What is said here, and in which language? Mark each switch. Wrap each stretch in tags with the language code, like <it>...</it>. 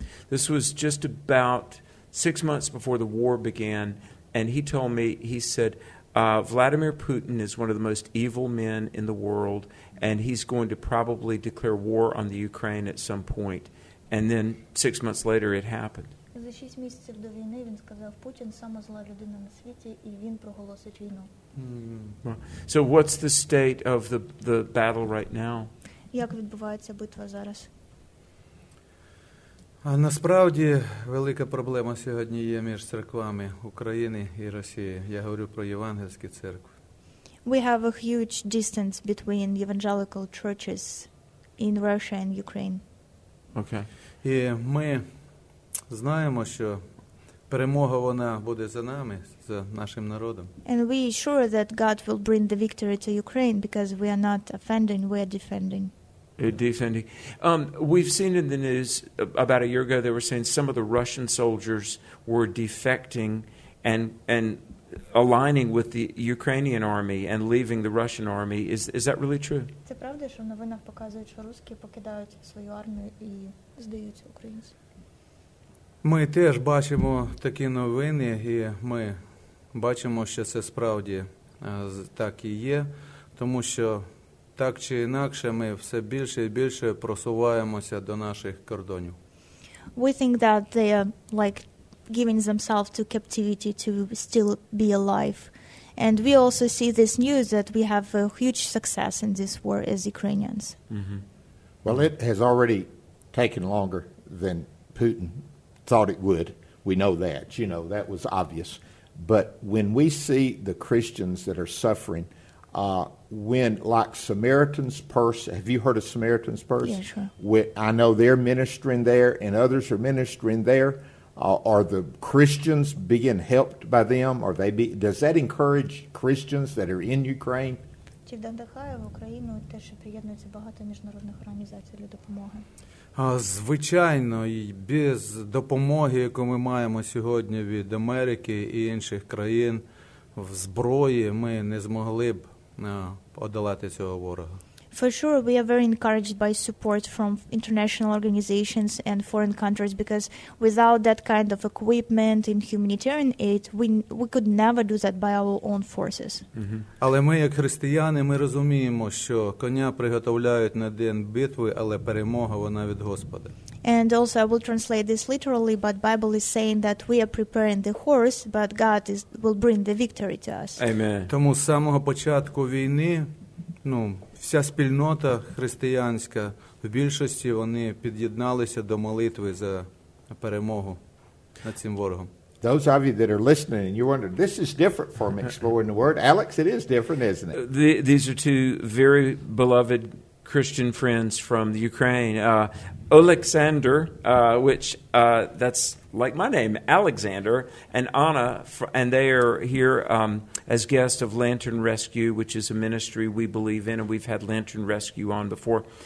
<en>This was just about 6 months before the war began. And he told me, he said, Vladimir Putin is one of the most evil men in the world, and he's going to probably declare war on the Ukraine at some point. And then 6 months later, it happened.</en> <uk>За 6 місяців до війни він сказав, Путін – сама зла людина на світі, і він проголосить війну.</uk> <en>So what's the state of the battle right now?</en> <uk>Як відбувається битва зараз? Насправді велика проблема сьогодні є між церквами України і Росії. Я говорю про євангельські церкви.</uk> <en>We have a huge distance between evangelical churches in Russia and Ukraine. Okay.</en> <uk>І ми знаємо, що перемога вона буде за нами, за нашим народом.</uk> <en>And we are sure that God will bring the victory to Ukraine because we are not offending, we are defending. Defending. We've seen in the news about a year ago, they were saying some of the Russian soldiers were defecting and aligning with the Ukrainian army and leaving the Russian army. Is that really true?</en> <uk>Це правда, що в новинах показують, що русські покидають свою армію і здаються українцям? Ми теж бачимо такі новини, і ми бачимо, що це справді так і є, тому що так чи інакше, ми все більше і більше просуваємося до наших кордонів.</uk> <en>we think that they are like giving themselves to captivity to still be alive. And we also see this news that we have a huge success in this war as Ukrainians. Mm-hmm. Well, it has already taken longer than Putin thought it would. We know that. You know, that was obvious. But when we see the Christians that are suffering, when, like, Samaritan's Purse, have you heard of Samaritan's Purse? Yeah, sure. I know they're ministering there and others are ministering there. Are the Christians being helped by them? Are they does that encourage Christians that are in Ukraine?</en> <uk>Чи вдихає в Україну те, що приєднується багато міжнародних організацій для допомоги? Звичайно, і без допомоги, яку ми маємо сьогодні від Америки і інших країн, в зброї ми не змогли б одолати цього ворога.</uk> <en>For sure, we are very encouraged by support from international organizations and foreign countries, because without that kind of equipment and humanitarian aid, we could never do that by our own forces.</en> <uk>Але ми, як християни, ми розуміємо, що коня приготовляють на день битви, але перемога вона від Господа.</uk> <en>And also, I will translate this literally, but Bible is saying that we are preparing the horse, but God will bring the victory to us. Amen.</en> <uk>Тому з самого початку війни, ну, вся спільнота християнська, в більшості вони під'єдналися до молитви за перемогу над цим ворогом.</uk> <en>Those of you that are listening and you're wondering, this is different from exploring the word. Alex, it is different, isn't it? These are two very beloved Christian friends from the Ukraine. Oleksandr, which that's like my name, Alexander, and Anna, and they are here as guests of Lantern Rescue, which is a ministry we believe in, and we've had Lantern Rescue on before.</en>